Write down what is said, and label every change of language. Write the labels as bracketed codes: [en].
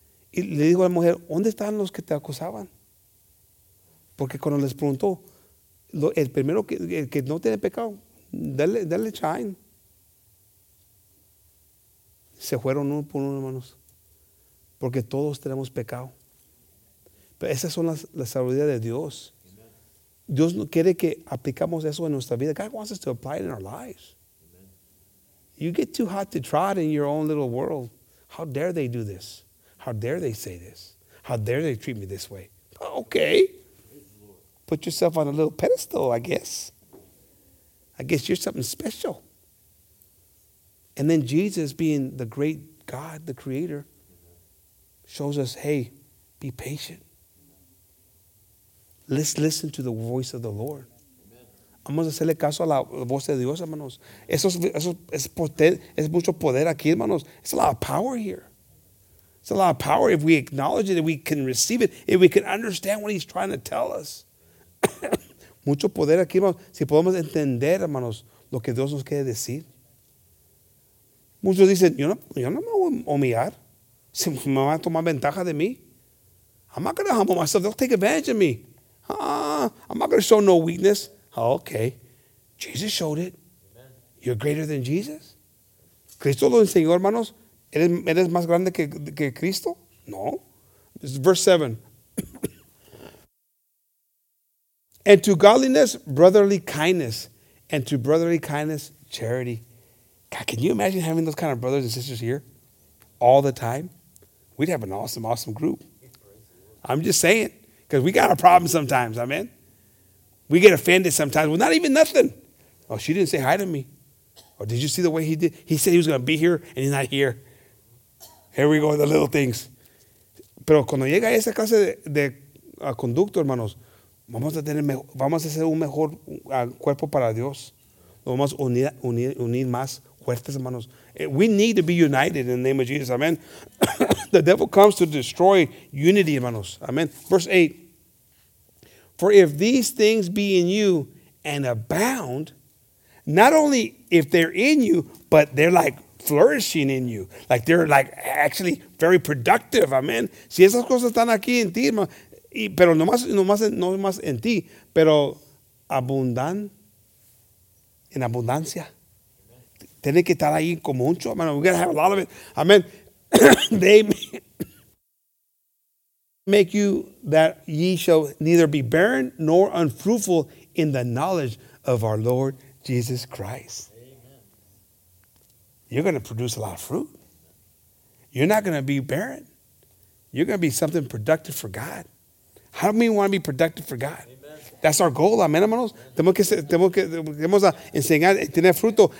[es] Y le dijo a la mujer, ¿dónde están los que te acusaban? Porque cuando les preguntó, el primero que no tiene pecado, dale shine. Se fueron uno por uno, hermanos. Porque todos tenemos pecado. Pero esas son las sabiduría de Dios. Dios quiere que aplicamos eso en nuestra vida. [en] God wants us to apply it in our lives. Amen. You get too hot to trot in your own little world. How dare they do this? How dare they say this? How dare they treat me this way? Okay. Put yourself on a little pedestal, I guess. I guess you're something special. And then Jesus, being the great God, the creator, shows us, hey, be patient. Let's listen to the voice of the Lord. [es] Vamos a hacerle caso a la voz de Dios, hermanos. Eso es mucho poder aquí, hermanos. [en] It's a lot of power here. It's a lot of power if we acknowledge it, if we can receive it, if we can understand what he's trying to tell us. [es] Mucho poder aquí, hermanos. Si podemos entender, hermanos, lo que Dios nos quiere decir. Muchos dicen, yo no me voy a humillar. Si me van a tomar ventaja de mí. [en] I'm not going to humble myself. They'll take advantage of me. I'm not going to show no weakness. Oh, okay. Jesus showed it. Amen. You're greater than Jesus. [es] Cristo lo enseñó, hermanos. ¿Eres más grande que Cristo? [en] No. This is verse 7. And to godliness, brotherly kindness. And to brotherly kindness, charity. God, can you imagine having those kind of brothers and sisters here all the time? We'd have an awesome, awesome group. I'm just saying. Because we got a problem sometimes, amen? We get offended sometimes. Well, not even nothing. Oh, she didn't say hi to me. Or did you see the way he did? He said he was going to be here, and he's not here. Here we go with the little things. [es] Pero cuando llega esa clase de conducto, hermanos, vamos a hacer un mejor cuerpo para Dios. Vamos a unir más fuertes, hermanos. [en] We need to be united in the name of Jesus, amen? The devil comes to destroy unity, hermanos, amen? Verse 8. For if these things be in you and abound, not only if they're in you, but they're like flourishing in you. Like they're like actually very productive. Amen. [es] Si esas cosas están aquí en ti, pero no más en ti, pero abundan en abundancia. Tiene que estar ahí con mucho, hermano. [en] We're going to have a lot of it. Amen. They make you that ye shall neither be barren nor unfruitful in the knowledge of our Lord Jesus Christ. Amen. You're going to produce a lot of fruit. you're not going to be barren. You're going to be something productive for God. How do we want to be productive for God? Amen. That's our goal, amen, hermanos. [es] Tenemos que enseñar a tener fruto.